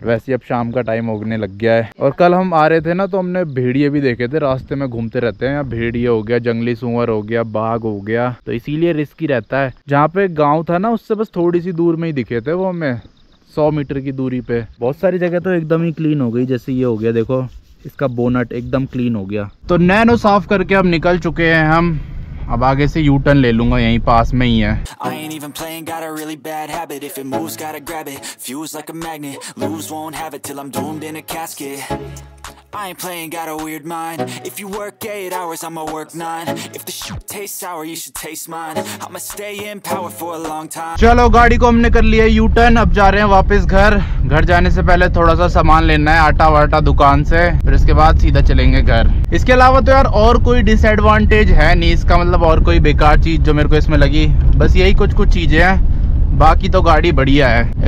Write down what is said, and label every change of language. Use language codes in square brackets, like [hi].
[hi] वैसे अब शाम का टाइम होने लग गया है, और कल हम आ रहे थे ना तो हमने भेड़िए भी देखे थे रास्ते में घूमते रहते हैं, यहाँ भेड़िए हो गया, जंगली सूअर हो गया, बाघ हो गया, तो इसीलिए रिस्क ही रहता है। जहाँ पे गाँव था ना उससे बस थोड़ी सी दूर में ही दिखे थे वो हमें, 100 मीटर की दूरी पे। बहुत सारी जगह तो एकदम ही क्लीन हो गई, जैसे ये हो गया देखो, इसका बोनट एकदम क्लीन हो गया। तो नैनो साफ करके अब निकल चुके हैं हम, अब आगे से यू टर्न ले लूंगा, यहीं पास में ही है। [en] I ain't even playing, got a really bad habit. If it moves, gotta grab it. Fuse like a magnet. Lose, won't have it till I'm doomed in a casket. I ain't playing, got a weird mind. If you work 8 hours, I'ma work 9. If the shit tastes sour, you should taste mine. I'ma stay in power for a long time. [hi] चलो गाड़ी को हमने कर लिया U turn, अब जा रहे हैं वापस घर। घर जाने से पहले थोड़ा सा सामान लेना है आटा वाटा दुकान से, फिर इसके बाद सीधा चलेंगे घर। इसके अलावा तो यार और कोई डिसएडवांटेज है नहीं इसका, मतलब और कोई बेकार चीज जो मेरे को इसमें लगी, बस यही कुछ कुछ चीजें हैं, बाकी तो गाड़ी बढ़िया है।